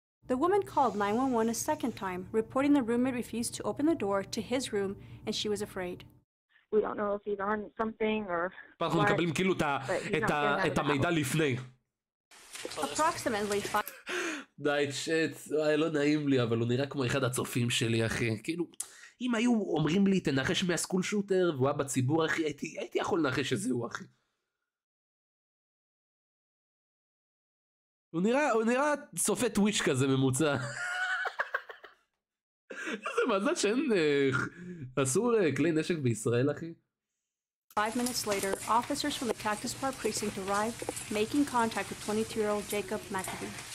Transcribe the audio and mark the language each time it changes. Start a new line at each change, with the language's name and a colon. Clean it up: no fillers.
English: the woman called 911 a second time reporting the roommate refused to open the door to his room and she was afraid we don't know if he's on something or
Hebrew: אנחנו מקבלים כאילו את המידע לפני
English: approximately
Hebrew: די צ'ט לא נעים לי אבל הוא נראה כמו אחד הצופים שלי אחי כאילו אם היו אומרים לי תנחש מהסקול שוטר והוא היה בציבור אחי הייתי יכול לנחש שזהו אחי הוא נראה צופה טוויץ' כזה ממוצע. איזה מזל שאין אסור כלי נשק בישראל, אחי.
English: 5 minutes later, officers from the Cactus Park precinct arrived, making contact with 22-year-old Jacob McAvey.